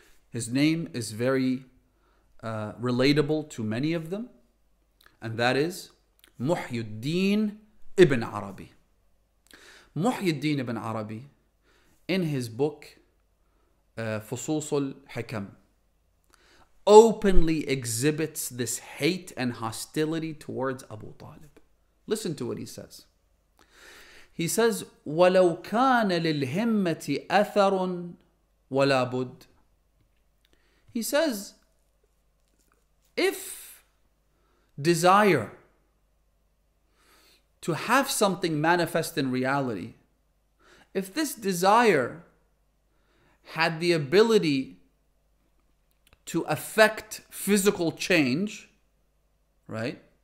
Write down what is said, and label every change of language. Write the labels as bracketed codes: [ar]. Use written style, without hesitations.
[en] His name is very relatable to many of them, and that is Muhyiddin ibn Arabi. Muhyiddin ibn Arabi, in his book Fususul Hikam, openly exhibits this hate and hostility towards Abu Talib. Listen to what he says. He says, [ar] وَلَوْ كَانَ لِلْهِمَّةِ أَثَرٌ وَلَا بُدْ. [en] He says, if desire to have something manifest in reality, if this desire had the ability to affect physical change, right?